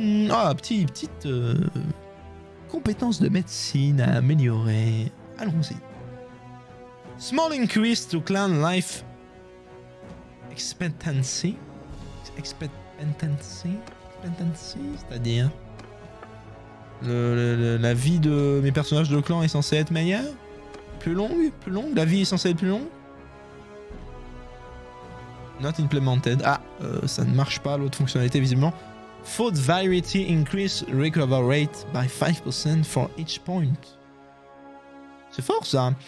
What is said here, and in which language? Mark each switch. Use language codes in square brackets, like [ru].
[fr] Ah, petite compétence de médecine à améliorer. Allons-y. [en] Small increase to clan life expectancy. [fr] Expectancy, c'est-à-dire la vie de mes personnages de clan est censée être meilleure, plus longue. La vie est censée être plus longue. [en] Not implemented. [fr] Ah, ça ne marche pas l'autre fonctionnalité visiblement. [en] Food variety increase recovery rate by 5% for each point. [fr] C'est fort ça.